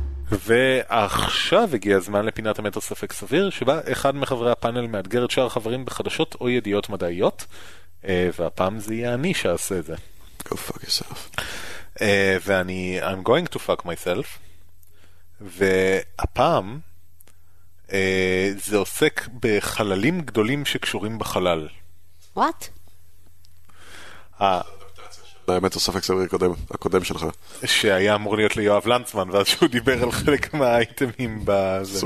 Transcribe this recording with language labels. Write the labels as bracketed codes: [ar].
[he] ועכשיו הגיע הזמן לפינת המטר ספק סביר, שבה אחד מחברי הפאנל מאתגר את שאר החברים בחדשות או ידיעות מדעיות, והפעם זה יהיה אני שעשה את זה. [en] Go fuck yourself. [he] ואני, [en] I'm going to fuck myself. [he] והפעם, זה עוסק בחללים גדולים שקשורים בחלל. [en] What? [he] האמת, הספק סביר הקודם שלך. שהיה אמור להיות ליואב לנצמן, ואז שהוא דיבר על חלק מהאייטמים בזה.